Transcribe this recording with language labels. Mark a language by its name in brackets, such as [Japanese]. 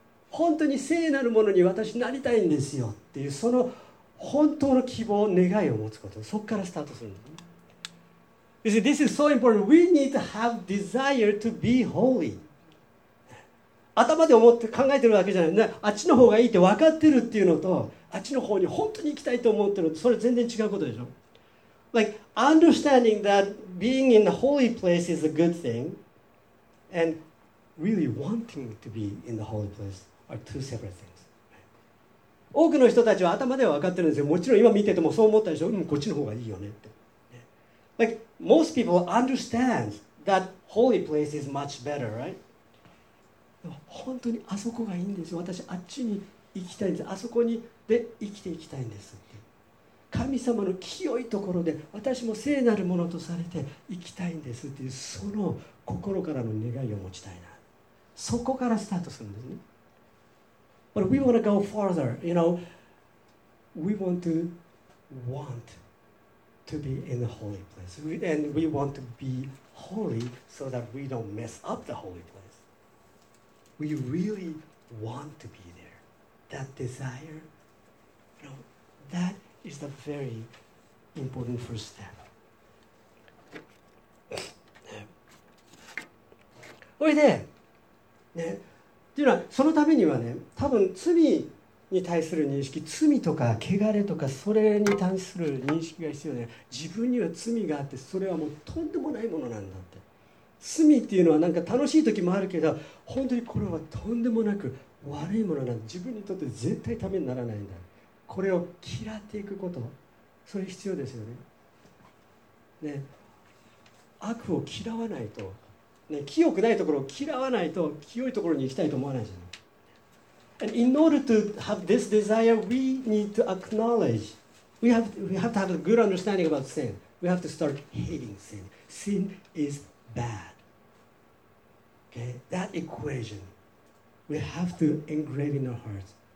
[Japanese] 本当に聖なるものに私なりたいんですよっていう、その本当の希望、願いを持つこと。そこからスタートするんです。 [English] You see, this is so important. We need to have desire to be holy. [Japanese] 頭で思って考えてるわけじゃない、ね、あっちの方がいいって分かってるっていうのと、あっちの方に本当に行きたいと思ってるのと、それ全然違うことでしょ。 [English] Like, understanding that being in the holy place is a good thing, and really wanting to be in the holy place are two separate things. [Japanese] 多くの人たちは頭では分かってるんですよ。もちろん今見ててもそう思ったでしょ、うん、こっちの方がいいよねって。 [English] Like, most people understand that holy place is much better, right? [Japanese] 本当にあそこがいいんです。私あっちに行きたいんです。あそこにで生きていきたいんですって。神様の清いところで私も聖なるものとされて生きたいんですっていう、その心からの願いを持ちたいな。そこからスタートするんですね。 [English] But we want to go farther, you know. We want to be in the holy place. And we want to be holy so that we don't mess up the holy place. We really want to be there. That desire, you know, that is the very important first step. [Japanese] それで、ね、っていうのはそのためにはね、多分罪に対する認識、罪とか汚れとかそれに対する認識が必要で、自分には罪があって、それはもうとんでもないものなんだって。罪っていうのはなんか楽しい時もあるけど、本当にこれはとんでもなく悪いものなんだ。自分にとって絶対ためにならないんだ。これを嫌っていくこと、それ必要ですよね。ね、悪を嫌わないと。ね、清くないところを嫌わないと清いところに行きたいと思わないじゃない。 [English] And in order to have this desire, we need to acknowledge. We have to have a good understanding about sin. We have to start hating sin. Sin is bad. Okay, that equation we have to engrave in our hearts.